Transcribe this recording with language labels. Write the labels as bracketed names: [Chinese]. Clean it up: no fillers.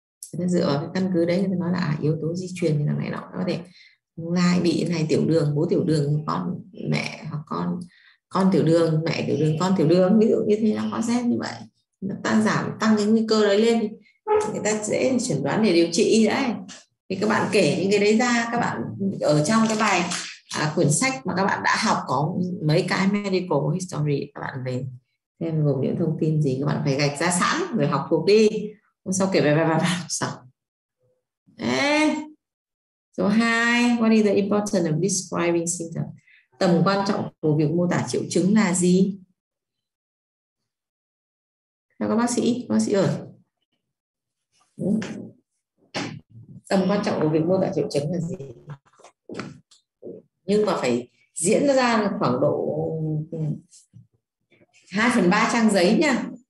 [Vietnamese] Dựa vào cái căn cứ đấy thì nói là yếu tố di truyền thì là mẹ nó có thể lại bị này tiểu đường, bố tiểu đường, con mẹ hoặc con tiểu đường, mẹ tiểu đường, con tiểu đường, ví dụ như thế, nó có xét như vậy nó tăng giảm tăng cái nguy cơ đấy lên, người ta dễ chẩn đoán để điều trị đấy. Thì các bạn kể những cái đấy ra, các bạn ở trong cái bài quyển sách mà các bạn đã học có mấy cái medical history, các bạn về xem gồm những thông tin gì, các bạn phải gạch ra sẵn rồi học thuộc đi. Hôm sau kể bài xong. Số 2, [English] what is the importance of describing symptoms? [Vietnamese] Tầm quan trọng của việc mô tả triệu chứng là gì? Theo các bác sĩ ơi. Tầm quan trọng của việc mô tả triệu chứng là gì? Nhưng mà phải diễn ra khoảng độ 2/3 trang giấy nha.